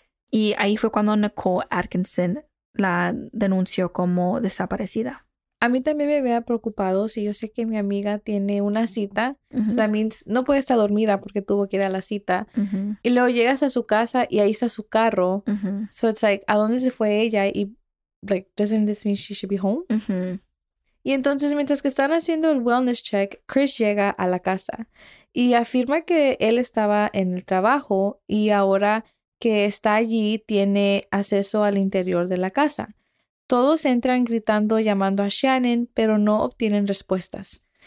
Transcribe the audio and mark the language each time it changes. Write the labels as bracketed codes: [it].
[es] Y ahí fue cuando Nicole Atkinson la denunció como desaparecida. A mí también me había preocupado. Si yo sé que mi amiga tiene una cita, también no puede estar dormida porque tuvo que ir a la cita. Y luego llegas a su casa y ahí está su carro. [en] So it's like, [es] ¿a dónde se fue ella? [en] Y like, doesn't this mean she should be home? [es] Y entonces, mientras que están haciendo el wellness check, Chris llega a la casa y afirma que él estaba en el trabajo y ahora que está allí, tiene acceso al interior de la casa. Todos entran gritando, llamando a Shannon, pero no obtienen respuestas.